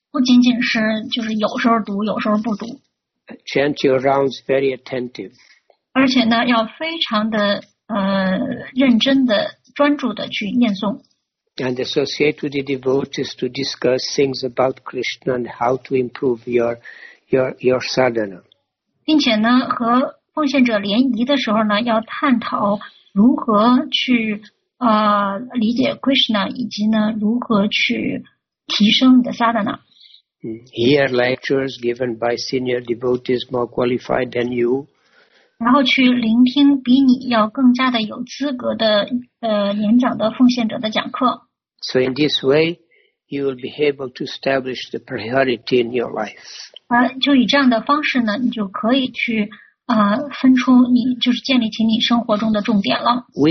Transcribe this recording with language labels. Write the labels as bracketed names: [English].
[Chinese] 不仅仅是就是有时候读有时候不读。 [English] Chant your rounds very attentive. [Chinese] 而且呢要非常的认真的专注的去念诵。 [English] And associate with the devotees to discuss things about Krishna and how to improve your sadhana. [Chinese] 并且呢，和奉献者联谊的时候呢，要探讨如何去理解 Krishna， 以及呢如何去提升你的 sadhana。 [English] Hear lectures given by senior devotees more qualified than you. [Chinese] 然后去聆听比你要更加的有资格的年长的奉献者的讲课。 [English] So in this way, you will be able to establish the priority in your life. [Chinese] 就以这样的方式呢，你就可以去分出你就是建立起你生活中的重点了。